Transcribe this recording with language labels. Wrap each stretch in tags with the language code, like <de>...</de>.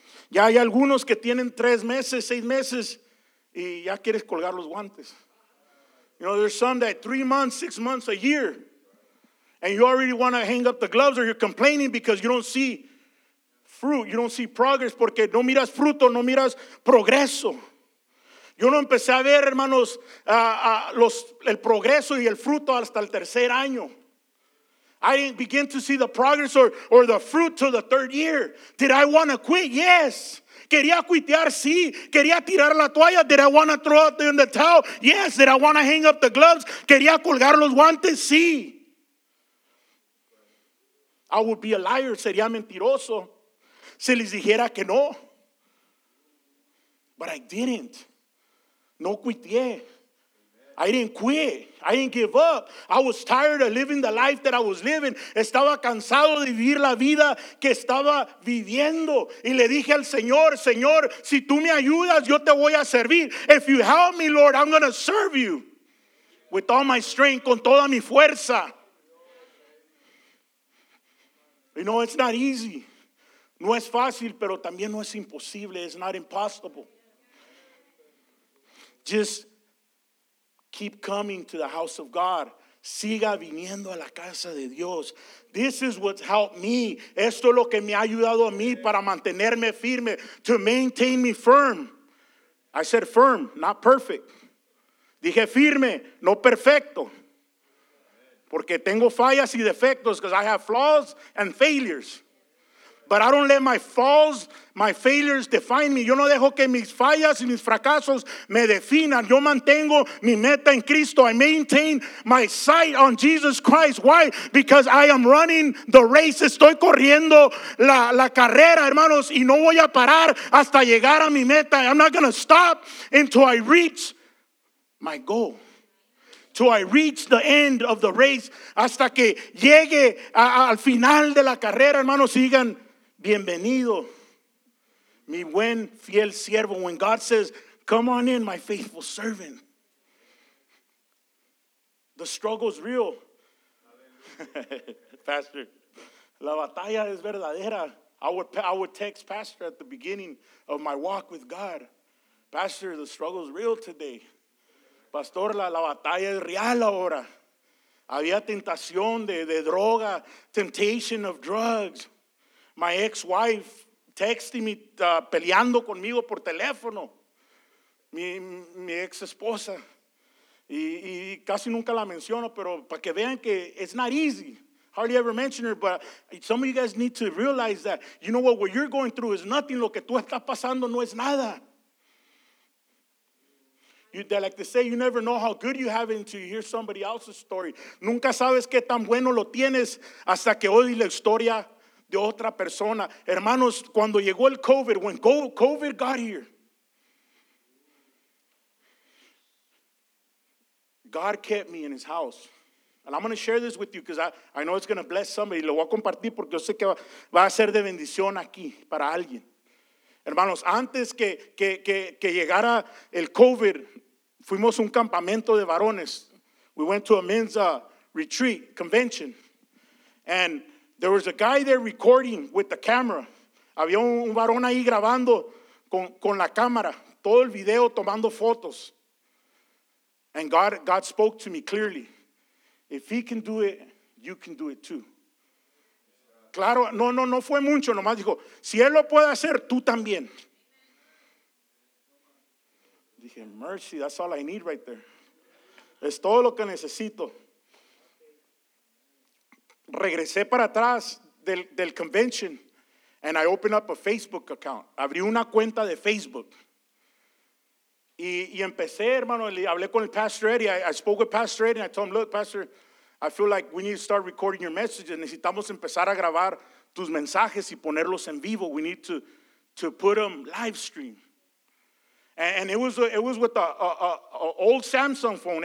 <es>Ya hay algunos que tienen 3 meses, 6 meses, y ya quieres colgar los guantes.</es> <en>You know, there's some that 3 months, 6 months, a year, and you already want to hang up the gloves, or you're complaining because you don't see fruit, you don't see progress,</en> <es>porque no miras fruto, no miras progreso. Yo no empecé a ver, hermanos, el progreso y el fruto hasta el tercer año.</es> <en>I didn't begin to see the progress or the fruit till the third year. Did I want to quit? Yes.</en> <es>Quería cuitear, sí. Quería tirar la toalla.</es> <en>Did I want to throw out the towel? Yes. Did I want to hang up the gloves?</en> <es>Quería colgar los guantes, sí.</es> <en>I would be a liar.</en> <es>Sería mentiroso. Si les dijera que no.</es> <en>But I didn't.</en> <es>No cuité.</es> <en>I didn't quit. I didn't give up. I was tired of living the life that I was living.</en> <es>Estaba cansado de vivir la vida que estaba viviendo. Y le dije al Señor, Señor, si tú me ayudas, yo te voy a servir.</es> <en>If you help me, Lord, I'm going to serve you. With all my strength,</en> <es>con toda mi fuerza.</es> <en>You know, it's not easy.</en> <es>No es fácil, pero también no es imposible.</es> <en>It's not impossible. Just keep coming to the house of God.</en> <es>Siga viniendo a la casa de Dios.</es> <en>This is what's helped me.</en> <es>Esto es lo que me ha ayudado a mí para mantenerme firme.</es> <en>To maintain me firm. I said firm, not perfect.</en> <es>Dije firme, no perfecto. Porque tengo fallas y defectos.</es> <en>Because I have flaws and failures. But I don't let my falls, my failures define me.</en> <es>Yo no dejo que mis fallas y mis fracasos me definan. Yo mantengo mi meta en Cristo.</es> <en>I maintain my sight on Jesus Christ. Why? Because I am running the race.</en> <es>Estoy corriendo la carrera, hermanos. Y no voy a parar hasta llegar a mi meta.</es> <en>I'm not going to stop until I reach my goal. Till I reach the end of the race.</en> <es>Hasta que llegue al final de la carrera, hermanos. Sigan. Bienvenido, mi buen fiel siervo.</es> <en>When God says, come on in, my faithful servant. The struggle is real.</en> <es>Pastor, la batalla es verdadera.</es> <en>I would text Pastor at the beginning of my walk with God. Pastor, the struggle is real today.</en> <es>Pastor, la batalla es real ahora. Había tentación de droga,</es> <en>temptation of drugs. My ex-wife texting me,</en> <es>peleando conmigo por teléfono. Mi ex-esposa. Y casi nunca la menciono, pero para que vean que</es> <en>it's not easy. Hardly ever mention her, but some of you guys need to realize that. You know what you're going through is nothing.</en> <es>Lo que tú estás pasando no es nada.</es> <en>They like to say, you never know how good you have it until you hear somebody else's story.</en> <es>Nunca sabes qué tan bueno lo tienes hasta que oyes la historia de otra persona. Hermanos, cuando llegó el COVID,</es> <en>when COVID got here, God kept me in his house. And I'm going to share this with you because I know it's going to bless somebody.</en> <es>Lo voy a compartir porque yo sé que va a ser de bendición aquí para alguien. Hermanos, antes que llegara el COVID, fuimos a un campamento de varones.</es> <en>We went to a men's retreat convention. And there was a guy there recording with the camera.</en> <es>Había un varón ahí grabando con la cámara, todo el video tomando fotos.</es> <en>And God spoke to me clearly. If he can do it, you can do it too.</en> <es>Claro, no fue mucho, nomás dijo, si él lo puede hacer, tú también.</es> <en>Dije, mercy, that's all I need right there.</en> <es>Es todo lo que necesito. Regresé para atrás del</es> <en>convention and I opened up a Facebook account.</en> <es>Abrí una cuenta de Facebook. Y empecé, hermano, le hablé con el Pastor Eddie.</es> <en>I spoke with Pastor Eddie and I told him, look, Pastor, I feel like we need to start recording your messages.</en> <es>Necesitamos empezar a grabar tus mensajes y ponerlos en vivo.</es> <en>We need to put them live stream. And it was with an old Samsung phone.</en>